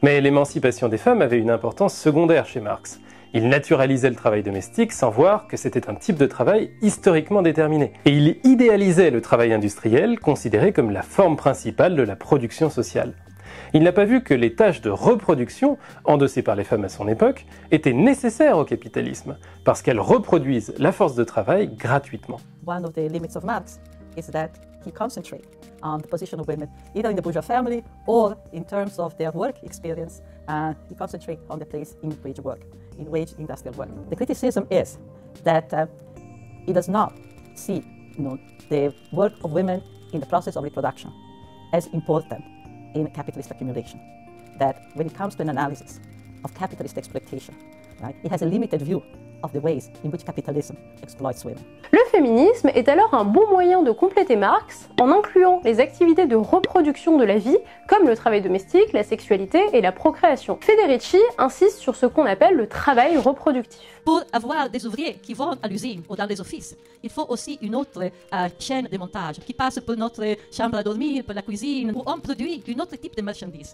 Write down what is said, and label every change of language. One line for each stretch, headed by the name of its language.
French: Mais l'émancipation des femmes avait une importance secondaire chez Marx. Il naturalisait le travail domestique sans voir que c'était un type de travail historiquement déterminé. Et il idéalisait le travail industriel, considéré comme la forme principale de la production sociale. Il n'a pas vu que les tâches de reproduction, endossées par les femmes à son époque, étaient nécessaires au capitalisme, parce qu'elles reproduisent la force de travail gratuitement.
English: One of the limits of Marx is that he concentrates on the position of women, either in the bourgeois family or in terms of their work experience. He concentrates on the place in wage work, in wage industrial work. The criticism is that he does not see, you know, the work of women in the process of reproduction as important. In capitalist accumulation, that when it comes to an analysis of capitalist exploitation, right, it has a limited view of the ways in which capitalism exploits women.
French: Le féminisme est alors un bon moyen de compléter Marx en incluant les activités de reproduction de la vie, comme le travail domestique, la sexualité et la procréation. Federici insiste sur ce qu'on appelle le travail reproductif. Pour avoir des ouvriers qui vont à l'usine ou dans les offices, il faut aussi une autre chaîne de montage qui passe pour notre chambre à dormir, pour la cuisine, où on produit un autre type de marchandise.